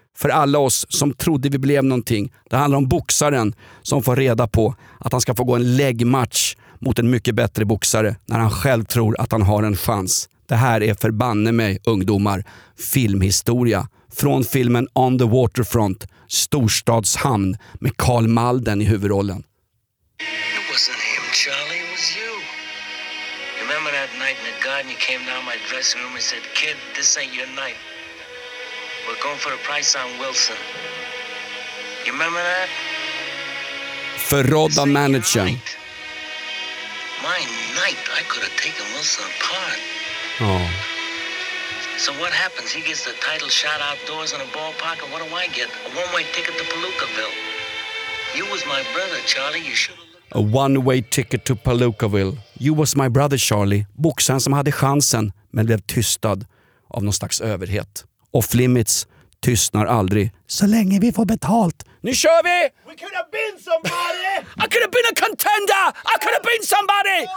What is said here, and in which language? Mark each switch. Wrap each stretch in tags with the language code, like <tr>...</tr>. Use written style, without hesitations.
<sv>För alla oss som trodde vi blev någonting. Det handlar om boxaren som får reda på att han ska få gå en läggmatch mot en mycket bättre boxare när han själv tror att han har en chans. Det här är förbanne mig, ungdomar. Filmhistoria. Från filmen On the Waterfront, Storstadshamn, med Carl Malden i huvudrollen.</sv> <en>It wasn't him, Charlie, it was you. Remember that night in the garden, you came down my dressing room and said, kid, this ain't your night. We're going for a price on Wilson. You remember that?</en> <sv>Förrådda managern.</sv> <en>My night, I could have taken Wilson apart.</en> <sv>Ja. Oh.</sv> <en>So what happens? He gets the title shot outdoors in a ballpark, and what do I get? A one-way ticket to Palookaville. You was my brother, Charlie. You should have looked. A one-way ticket to Palookaville. You was my brother, Charlie.</en> <sv>Boxaren som hade chansen, men blev tystad av någon slags överhet. Off Limits tystnar aldrig. Så länge vi får betalt. Nu kör vi!</sv> <en>We could have been somebody! I could have been a contender! I could have been somebody!</en>